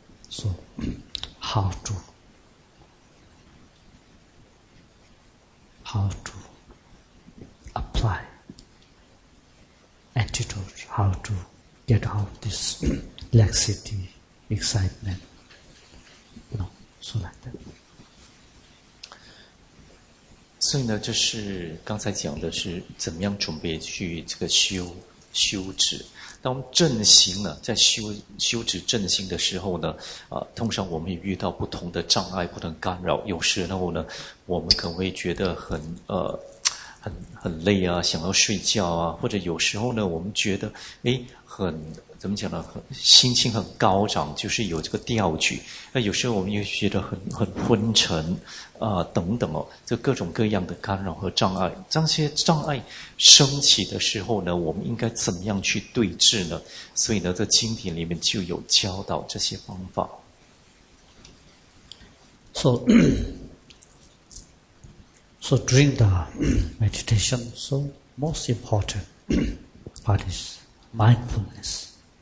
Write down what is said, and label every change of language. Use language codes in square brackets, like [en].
[en] So how to apply antidote, how to get out this laxity, excitement, you know, so like that. [zh] 所以呢，这是刚才讲的是怎么样准备去这个修止。当正行呢，在修止正行的时候呢，通常我们也遇到不同的障碍、不同的干扰。有时候呢，我们可能会觉得很累啊，想要睡觉啊，或者有时候呢，我们觉得怎么讲呢？心情很高涨，就是有这个调举。那有时候我们又觉得很昏沉，等等哦，这各种各样的干扰和障碍。这些障碍升起的时候呢，我们应该怎么样去对治呢？所以呢，在经典里面就有教导这些方法。 [en] So during the meditation, so most important part is mindfulness.